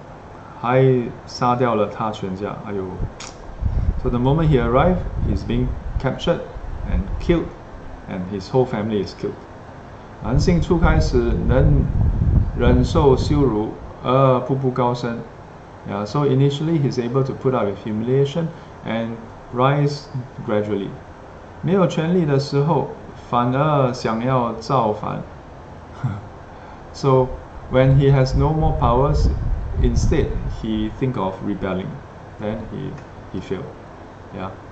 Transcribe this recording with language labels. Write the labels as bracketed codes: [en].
[zh] 一到就被抓住杀死了，还杀掉了他全家。哎呦。 [en] So the moment he arrived, he's being captured and killed, and his whole family is killed. [zh] 韩信初开始能忍受羞辱而步步高升, [en] yeah, so initially he's able to put up with humiliation and rise gradually. [zh] 没有权力的时候反而想要造反. [en] So when he has no more powers, instead he think of rebelling, then he failed. Yeah,